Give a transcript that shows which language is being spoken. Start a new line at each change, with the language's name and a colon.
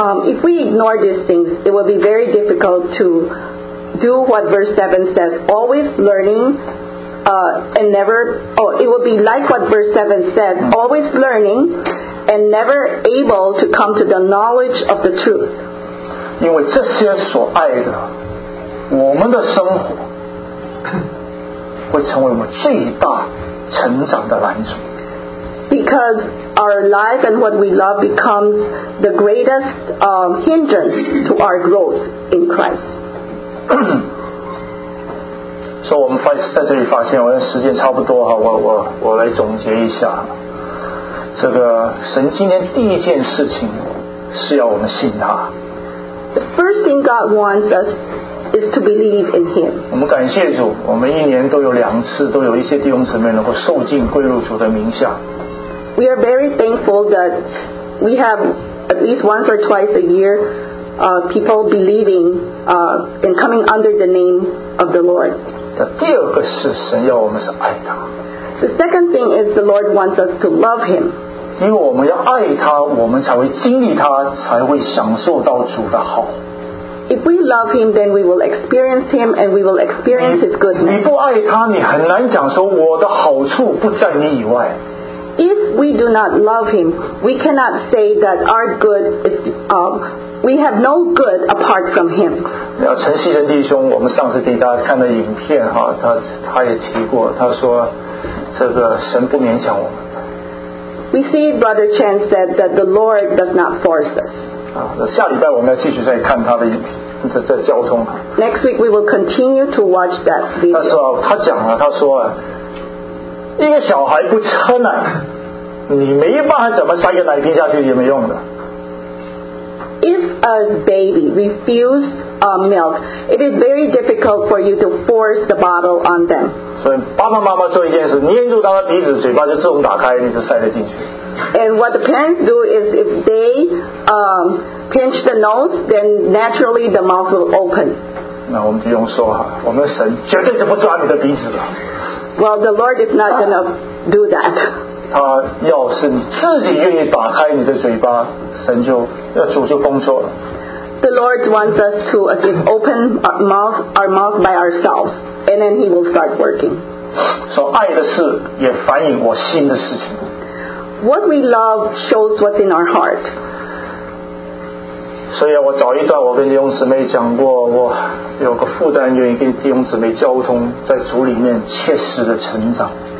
English: If we ignore these things, it will be very difficult to do what verse 7 says, always learning and never, it will be like what verse 7 says, always learning and never able to come to the knowledge of the truth.
Chinese: 因为这些所爱的，我们的生活会成为我们最大成长的拦阻。
English: Because our life and what we love becomes the greatest hindrance to our growth in Christ.
Chinese: 所以我们发在这里发现，我的时间差不多哈，我来总结一下。这个神今天第一件事情是要我们信他。
English: The first thing God wants us is to believe in Him.
Chinese: 我们感谢主，我们一年都有两次，都有一些弟兄姊妹能够受浸归入主的名下。
English: We are very thankful that we have at least once or twice a year, people believing, and coming under the name of the Lord.
Chinese: 第二个是神要我们是爱他。
English: The second thing is the Lord wants us to love Him.
Chinese: 因为我们要爱他，我们才会经历他，才会享受到主的好。
English: If we love Him, then we will experience Him, and we will experience His goodness.
Chinese: 你不爱他，你很难讲说我的好处不在你以外。
English: If we do not love Him, we cannot say that our good is, we have no good apart from Him.
Chinese: 陈锡仁弟兄，我们上次给大家看的影片哈，他也提过，他说这个神不勉强我们。
English: We see Brother Chen said that the Lord does not force us.
Chinese: 下礼拜我们要继续再看他的影片，在交通。
English: Next week we will continue to watch that video.
Chinese: 他说他讲了，他说一个小孩不吃奶，你没办法怎么塞个奶瓶下去也没用的。
English: If a baby refused milk, it is very difficult for you to force the bottle on them.
Chinese: 所以爸爸妈妈做一件事，捏住他的鼻子，嘴巴就自动打开，你就塞得进去。
English: And what the parents do is if they pinch the nose, then naturally the mouth will open.
Chinese: 那我们不用说哈，我们神绝对就不抓你的鼻子了。
English: Well, the Lord is not going to do that.
Chinese: 他要是你自己愿意打开你的嘴巴，神就要主就工作了。
English: The Lord wants us to open our mouth by ourselves, and then He will start working.
Chinese: 所爱的事也反映我心的事情。
English: What we love shows what's in our heart.
Chinese: 所以我早一段我跟弟兄姊妹讲过，我有个负担愿意跟弟兄姊妹交通，在主里面切实的成长。